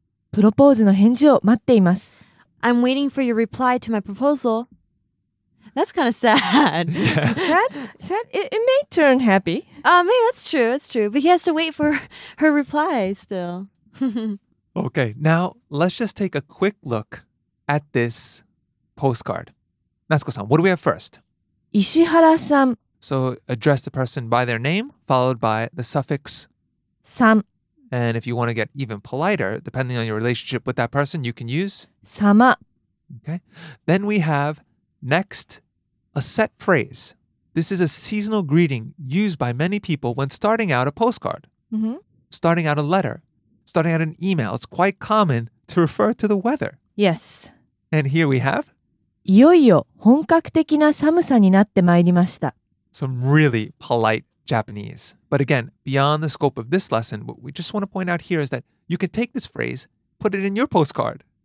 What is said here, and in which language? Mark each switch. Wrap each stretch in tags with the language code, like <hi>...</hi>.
<ja>プロポーズの返事を待っています。</ja> <en>I'm waiting for your reply to my proposal. That's kind of sad. Yeah. Sad? Sad? It may turn happy. Maybe that's true. That's true. But he has to wait for her reply still. Okay. Now, let's just take a quick look at this postcard. Natsuko-san, what do we have first?</en> <ja>石原さん。</ja> <en>So address the person by their name, followed by the suffix</en> <ja>さん。</ja> <en>And if you want to get even politer, depending on your relationship with that person, you can use</en> <ja>様。</ja> <en>Okay. Then we have next, a set phrase. This is a seasonal greeting used by many people when starting out a postcard, starting out a letter, starting out an email. It's quite common to refer to the weather. Yes. And here we have?</en> <ja>いよいよ本格的な寒さになってまいりました。</ja> <en>Some really polite Japanese. But again, beyond the scope of this lesson, what we just want to point out here is that you can take this phrase, put it in your postcard.</en>